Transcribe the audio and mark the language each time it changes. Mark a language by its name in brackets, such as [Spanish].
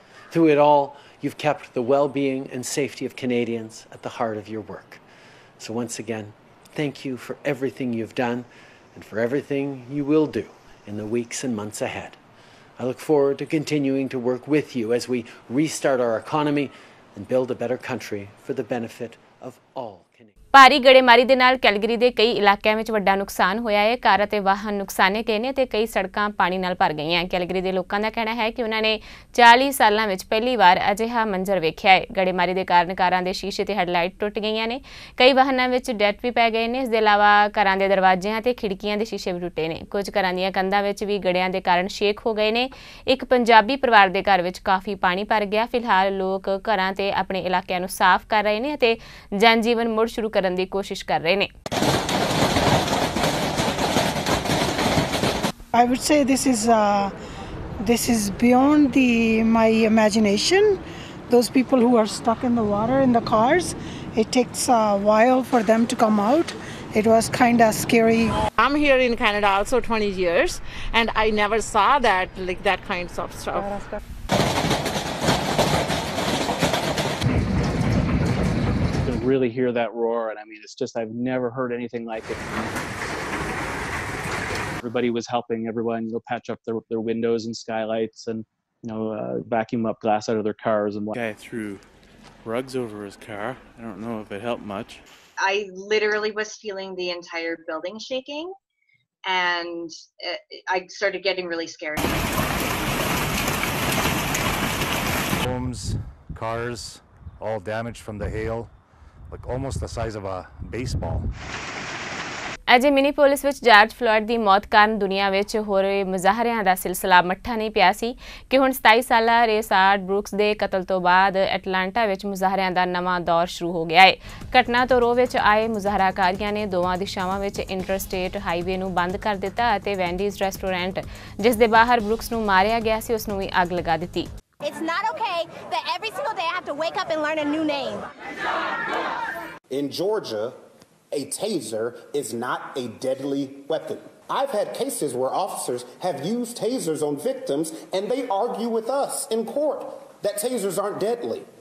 [English] Through it all, you've kept the well-being and safety of Canadians at the heart of your work. So once again, thank you for everything you've done and for everything you will do in the weeks and months ahead. I look forward to continuing to work with you as we restart our economy and build a better country for the benefit of all. [Punjabi] ਭਾਰੀ ਗੜੇਮਾਰੀ ਦੇ ਨਾਲ Calgary ਦੇ ਕਈ ਇਲਾਕਿਆਂ ਵਿੱਚ ਵੱਡਾ ਨੁਕਸਾਨ ਹੋਇਆ ਹੈ। ਕਾਰ ਅਤੇ ਵਾਹਨ ਨੁਕਸਾਨੇ ਗਏ ਨੇ ਅਤੇ ਕਈ ਸੜਕਾਂ ਪਾਣੀ ਨਾਲ ਭਰ ਗਈਆਂ। ਕੈਲਗਰੀ ਦੇ ਲੋਕਾਂ ਦਾ ਕਹਿਣਾ ਹੈ ਕਿ ਉਹਨਾਂ ਨੇ 40 ਸਾਲਾਂ ਵਿੱਚ ਪਹਿਲੀ ਵਾਰ ਅਜਿਹਾ ਮੰਜ਼ਰ ਵੇਖਿਆ ਹੈ। ਗੜੇਮਾਰੀ ਦੇ ਕਾਰਨ ਕਾਰਾਂ ਦੇ ਸ਼ੀਸ਼ੇ ਅਤੇ ਹੈੱਡਲਾਈਟ ਟੁੱਟ ਗਈਆਂ ਨੇ। ਕਈ ਵਾਹਨਾਂ ਵਿੱਚ ਡੈਂਟ ਵੀ ਪੈ ਗਏ ਨੇ। ਇਸ ਦੇ ਇਲਾਵਾ ਘਰਾਂ ਦੇ ਦਰਵਾਜ਼ਿਆਂ ਅਤੇ ਖਿੜਕੀਆਂ ਦੇ ਸ਼ੀਸ਼ੇ ਵੀ ਟੁੱਟੇ ਨੇ। ਕੁਝ ਘਰਾਂ ਦੀਆਂ ਕੰਧਾਂ ਵਿੱਚ ਵੀ ਗੜਿਆਂ ਦੇ ਕਾਰਨ ਛੇਕ ਹੋ ਗਏ ਨੇ। ਇੱਕ ਪੰਜਾਬੀ ਪਰਿਵਾਰ ਦੇ ਘਰ ਵਿੱਚ ਕਾਫੀ ਪਾਣੀ ਭਰ ਗਿਆ। ਫਿਲਹਾਲ ਲੋਕ ਘਰਾਂ ਅਤੇ ਆਪਣੇ ਇਲਾਕਿਆਂ ਨੂੰ ਸਾਫ਼ ਕਰ ਰਹੇ ਨੇ ਅਤੇ ਜਨ ਜੀਵਨ ਮੁੜ ਸ਼ੁਰੂ ਕਰਨ ਦੀ ਕੋਸ਼ਿਸ਼ ਕਰ ਰਹੇ ਨੇ। [English] I would say this is beyond my imagination. Those people who are stuck in the water in the cars, it takes a while for them to come out. It was kind of scary. I'm here in Canada also 20 years, and I never saw that, like, that kinds of stuff. You can really hear that roar, and I mean, it's just, I've never heard anything like it. Everybody was helping everyone, you know, patch up their windows and skylights, and, you know, vacuum up glass out of their cars. And guy threw rugs over his car. I don't know if it helped much. I literally was feeling the entire building shaking, and I started getting really scared. Homes, cars, all damaged from the hail, like almost the size of a baseball. [Punjabi] ਅਜੇ ਮਿਨੀਪੋਲਿਸ ਵਿੱਚ George Floyd ਦੀ ਮੌਤ ਕਾਰਨ ਦੁਨੀਆ ਵਿੱਚ ਹੋ ਰਹੇ ਮੁਜ਼ਾਹਰਿਆਂ ਦਾ ਸਿਲਸਿਲਾ ਮੱਠਾ ਨਹੀਂ ਪਿਆ ਸੀ ਕਿ ਹੁਣ 27 ਸਾਲਾ ਰੇਸਾਰਡ ਬਰੁਕਸ ਦੇ ਕਤਲ ਤੋਂ ਬਾਅਦ ਐਟਲਾਂਟਾ ਵਿੱਚ ਮੁਜ਼ਾਹਰਿਆਂ ਦਾ ਨਵਾਂ ਦੌਰ ਸ਼ੁਰੂ ਹੋ ਗਿਆ ਹੈ। ਘਟਨਾ ਤੋਂ ਰੋਹ ਵਿੱਚ ਆਏ ਮੁਜ਼ਾਹਰਾਕਾਰੀਆਂ ਨੇ ਦੋਵਾਂ ਦਿਸ਼ਾਵਾਂ ਵਿੱਚ ਇੰਟਰਸਟੇਟ ਹਾਈਵੇ ਨੂੰ ਬੰਦ ਕਰ ਦਿੱਤਾ ਅਤੇ ਵੈਂਡੀਜ਼ ਰੈਸਟੋਰੈਂਟ ਜਿਸ ਦੇ ਬਾਹਰ ਬਰੁਕਸ ਨੂੰ ਮਾਰਿਆ ਗਿਆ ਸੀ ਉਸ ਨੂੰ ਵੀ ਅੱਗ ਲਗਾ ਦਿੱਤੀ। [English] It's not okay that every single day I have to wake up and learn a new name. In Georgia, a taser is not a deadly weapon. I've had cases where officers have used tasers on victims, and they argue with us in court that tasers aren't deadly.